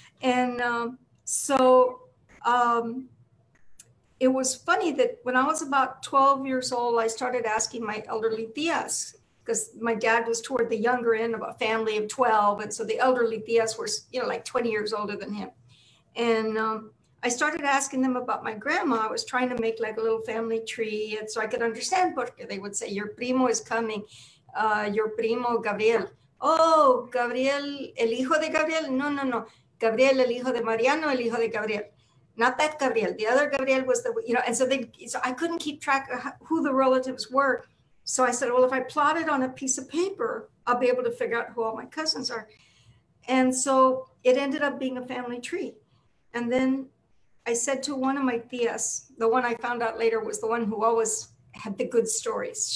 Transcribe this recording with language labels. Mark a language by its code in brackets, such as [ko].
[en] And so it was funny that when I was about 12 years old, I started asking my elderly tías, because my dad was toward the younger end of a family of 12. And so the elderly tías were, you know, like 20 years older than him. And I started asking them about my grandma. I was trying to make like a little family tree and so I could understand, porque they would say, your primo is coming, your primo Gabriel. [es] Oh, Gabriel, el hijo de Gabriel? No. Gabriel, el hijo de Mariano, el hijo de Gabriel. [en] Not that Gabriel, the other Gabriel was the, you know, and so I couldn't keep track of who the relatives were. So I said, well, if I plot it on a piece of paper, I'll be able to figure out who all my cousins are. And so it ended up being a family tree. And then I said to one of my tías, the one I found out later was the one who always had the good stories.